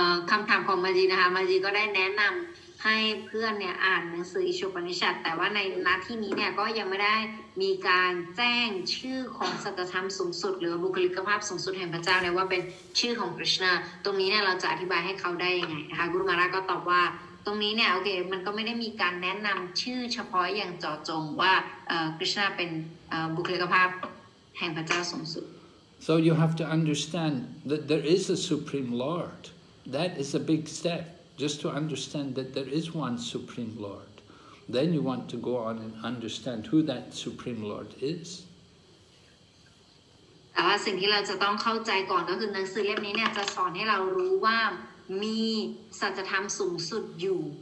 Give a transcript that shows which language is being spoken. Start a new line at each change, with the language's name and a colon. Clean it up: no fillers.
Thai: คำถามของมาจีนะคะมาจีก็ได้แนะนำให้เพื่อนเนี่ยอ่านหนังสืออิโชปนิชัดแต่ว่าในนัดที่นี้เนี่ยก็ยังไม่ได้มีการแจ้งชื่อของสัจธรรมสูงสุดหรือบุคลิกภาพสูงสุดแห่งพระเจ้าเนี่ยว่าเป็นชื่อของกฤษณาตรงนี้เนี่ยเราจะอธิบายให้เขาได้ยังไงนะคะกุรุมาราก็ตอบว่าตรงนี้เนี่ยโอเคมันก็ไม่ได้มีการแนะนำชื่อเฉพาะอย่างเจาะจงว่ากฤษณาเป็นบุคลิกภาพแห่งพระเจ้าสูงสุด
English: so you have to understand that there is a supreme lord that is a big stepJust to understand that there is one Supreme Lord. Then you want to go on and understand who that Supreme Lord is.
Thai: แต่ว่าสิ่งที่เราจะต้องเข้าใจก่อนก็คือหนังสือเล่มนี้เนี่ยจะสอนให้เรารู้ว่ามีสัจธรรมสูงสุดอยู่